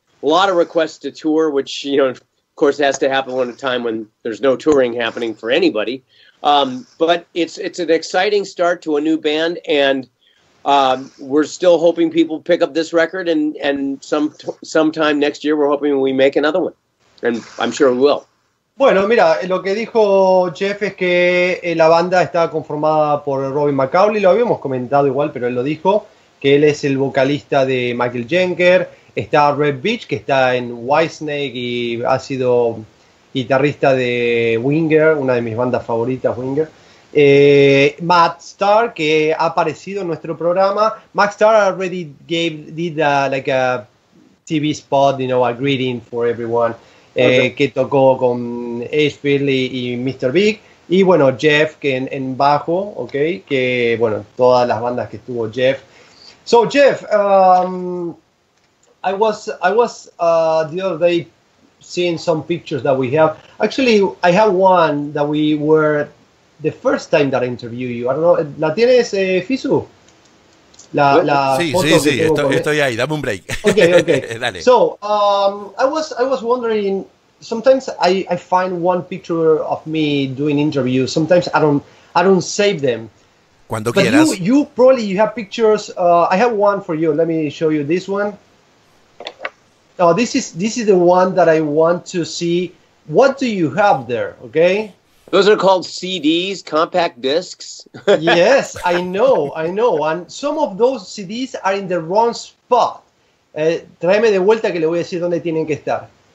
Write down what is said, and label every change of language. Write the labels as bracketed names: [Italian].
[English] A lot of requests to tour, which, you know, of course, has to happen at a time when there's no touring happening for anybody. But it's an exciting start to a new band, and we're still hoping people pick up this record, and sometime next year we're hoping we make another one, and I'm sure we will. [Spanish] Bueno, mira, lo que dijo Jeff es que la banda está conformada por Robin McCauley, lo habíamos comentado igual, pero él lo dijo, que él es el vocalista de Michael Schenker, está Reb Beach, que está en Whitesnake y ha sido guitarrista de Winger, una de mis bandas favoritas, Winger. Matt Starr, que ha aparecido en nuestro programa. [English] Matt Starr already did a TV spot, you know, a greeting for everyone. [Spanish] Que tocó con Ace Frehley y Mr. Big, y bueno, Jeff, que en bajo, ok, que bueno, todas las bandas que estuvo Jeff. [English] So Jeff, I was the other day seeing some pictures that we have. Actually, I have one that we were the first time that I interview you. I don't know, [Spanish] ¿la tienes, Fisu? Estoy ahí, dame un break. [English] Okay. [Spanish] Dale. [English] So, I was wondering, sometimes I find one picture of me doing interviews. Sometimes I don't save them. [Spanish] Cuando [English] but [Spanish] quieras. [English] You probably have pictures. I have one for you. Let me show you this one. Oh, this is the one that I want to see. What do you have there? Okay? Those are called CDs, compact discs. Yes, I know. And some of those CDs are in the wrong spot. [Spanish] Tráeme de vuelta que le voy a decir dónde tienen que estar.